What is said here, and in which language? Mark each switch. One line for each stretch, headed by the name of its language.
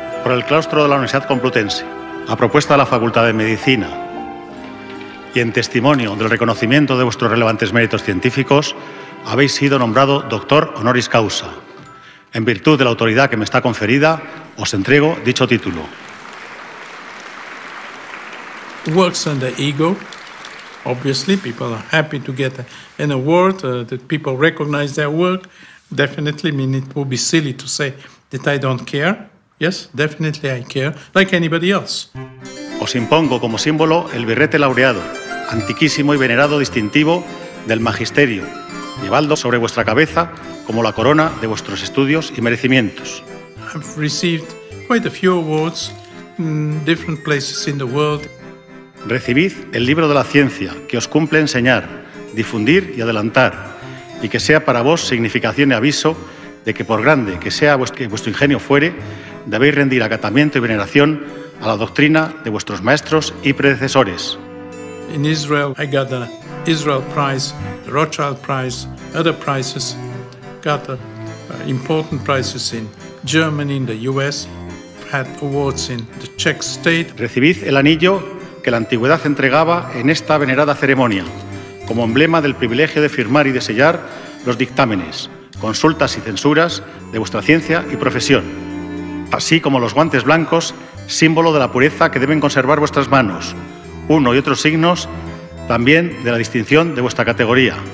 Spanish: del claustro de la Universidad Complutense, a propuesta de la Facultad de Medicina y en testimonio del reconocimiento de vuestros relevantes méritos científicos, habéis sido nombrado doctor honoris causa. En virtud de la autoridad que me está conferida, os entrego dicho título.
English: Works on the ego. Obviously, people are happy to get an award, that people recognize their work. Definitely, I mean, it would be silly to say that I don't care. Yes, definitely I care, like anybody else.
Spanish: Os impongo como símbolo el birrete laureado, antiquísimo y venerado distintivo del magisterio. Llevadlo sobre vuestra cabeza como la corona de vuestros estudios y merecimientos.
English: I've received quite a few awards in different places in the world.
Spanish: Recibid el libro de la ciencia que os cumple enseñar, difundir y adelantar, y que sea para vos significación y aviso de que por grande que sea vuestro ingenio fuere, debéis rendir acatamiento y veneración a la doctrina de vuestros maestros y predecesores.
English: In Israel, I got the Israel Prize, the Rothschild Prize, other prizes, got important prizes in Germany, in the US, had awards in the Czech state.
Spanish: Recibid el anillo que la antigüedad entregaba en esta venerada ceremonia, como emblema del privilegio de firmar y de sellar los dictámenes, consultas y censuras de vuestra ciencia y profesión, así como los guantes blancos, símbolo de la pureza que deben conservar vuestras manos, uno y otros signos también de la distinción de vuestra categoría.